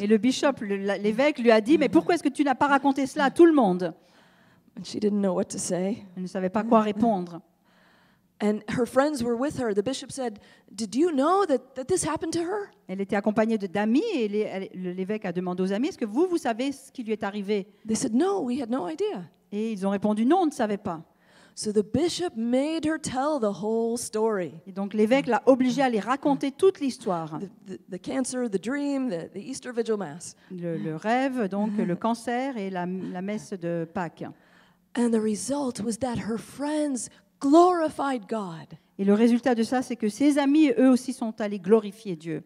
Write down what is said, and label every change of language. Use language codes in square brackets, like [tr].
[fr] Et le bishop, l'évêque lui a dit, "Mais pourquoi est-ce que tu n'as pas raconté cela à tout le monde?" [en] And she didn't know what to say. [fr] Elle ne savait pas quoi répondre. [en] And her friends were with her. The bishop said, "Did you know that this happened to her?" [fr] Elle était accompagnée d'amis et l'évêque a demandé aux amis, "Est-ce que vous savez ce qui lui est arrivé?" [en] They said, "No, we had no idea." [fr] Et ils ont répondu, "Non, on ne savait pas." [en] So the bishop made her tell the whole story. [fr] Et donc l'évêque l'a obligée à lui raconter toute l'histoire. [en] The cancer, the dream, the Easter vigil mass. [fr] Le rêve, donc le cancer et la messe de Pâques. [en] And the result was that her friends glorified God. [fr] Et le résultat de ça, c'est que ses amis, eux aussi, sont allés glorifier Dieu.